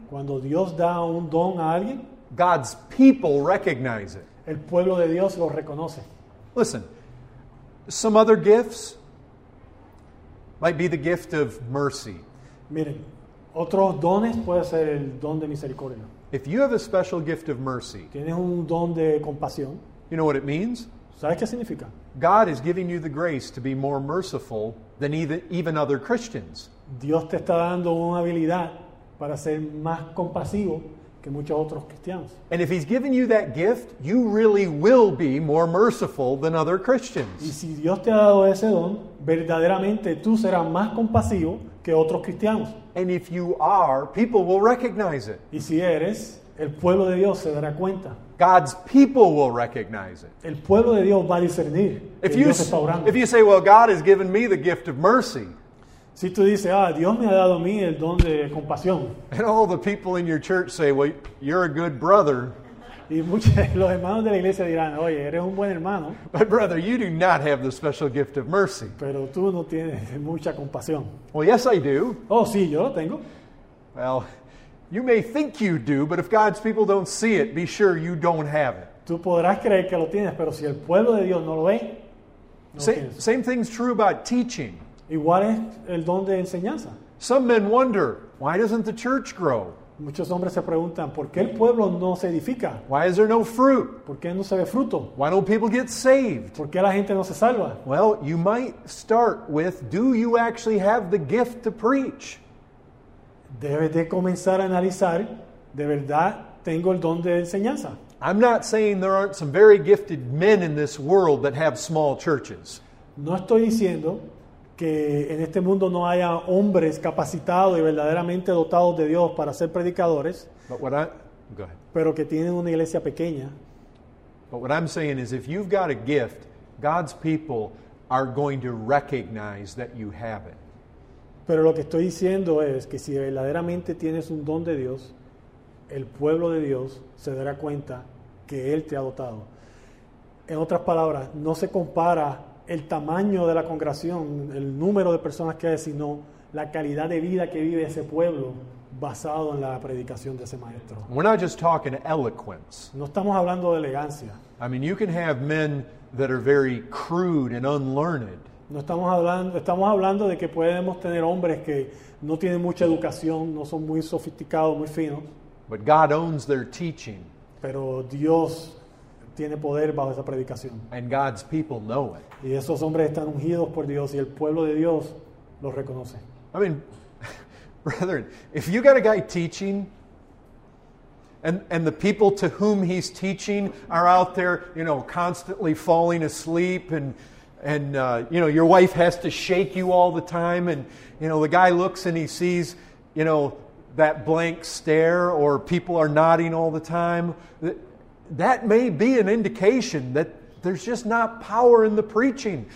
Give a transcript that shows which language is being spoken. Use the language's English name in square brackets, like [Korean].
[Spanish] Cuando Dios da un don a alguien. [English] God's people recognize it. [Spanish] El pueblo de Dios lo reconoce. [English] Listen. Some other gifts. Might be the gift of mercy. [Spanish] Miren, otros dones puede ser el don de misericordia. [English] If you have a special gift of mercy, [Spanish] tienes un don de compasión. [English] You know what it means? [Spanish] ¿Sabes qué significa? [English] God is giving you the grace to be more merciful than even other Christians. [Spanish] Dios te está dando una habilidad para ser más compasivo que muchos otros cristianos. [English] And if he's giving you that gift, you really will be more merciful than other Christians. [Spanish] Y si Dios te ha dado ese don, verdaderamente tú serás más compasivo que otros cristianos. [English] And if you are, people will recognize it. [Spanish] Y si eres, el pueblo de Dios se dará cuenta. [English] God's people will recognize it. [Spanish] El pueblo de Dios va a discernir. [English] If you say, well, God has given me the gift of mercy. [Spanish] Si tú dices, ah, Dios me ha dado a mí el don de compasión. [English] And all the people in your church say, well, you're a good brother. [Spanish] Y muchos los hermanos de la iglesia dirán, oye, eres un buen hermano. [English] But brother, you do not have the special gift of mercy. [Spanish] Pero tú no tienes mucha compasión. [English] Well, yes, I do. [Spanish] Oh, sí, yo lo tengo. [English] Well, you may think you do, but if God's people don't see it, be sure you don't have it. [Spanish] Tú podrás creer que lo tienes, pero si el pueblo de Dios no lo ve, no lo tienes. [English] Same thing's true about teaching. [Spanish] Igual es el don de enseñanza. [English] Some men wonder, why doesn't the church grow? [Spanish] Muchos hombres se preguntan, ¿por qué el pueblo no se edifica? [English] Why is there no fruit? [Spanish] ¿Por qué no se ve fruto? [English] Why don't people get saved? [Spanish] ¿Por qué la gente no se salva? [English] Well, you might start with, do you actually have the gift to preach? [Spanish] Debes de comenzar a analizar, ¿de verdad tengo el don de enseñanza? [English] I'm not saying there aren't some very gifted men in this world that have small churches. [Spanish] No estoy diciendo que en este mundo no haya hombres capacitados y verdaderamente dotados de Dios para ser predicadores, pero que tienen una iglesia pequeña. [English] But what I'm saying is, if you've got a gift, God's people are going to recognize that you have it. [Spanish] Pero lo que estoy diciendo es que si verdaderamente tienes un don de Dios, el pueblo de Dios se dará cuenta que Él te ha dotado. En otras palabras, no se compara el tamaño de la congregación, el número de personas que hay, sino la calidad de vida que vive ese pueblo basado en la predicación de ese maestro. [English] We're not just talking eloquence. [Spanish] No estamos hablando de elegancia. [English] I mean, you can have men that are very crude and unlearned. [Spanish] No estamos hablando, de que podemos tener hombres que no tienen mucha educación, no son muy sofisticados, muy finos. [English] But God owns their teaching. [Spanish] Pero Dios tiene poder bajo esa predicación. [English] And God's people know it. [Spanish] Y esos hombres están ungidos por Dios y el pueblo de Dios los reconoce. [English] I mean, brethren, if you got a guy teaching and the people to whom he's teaching are out there, you know, constantly falling asleep and your wife has to shake you all the time and, you know, the guy looks and he sees, you know, that blank stare or people are nodding all the time, that may be an indication that there's just not power in the preaching.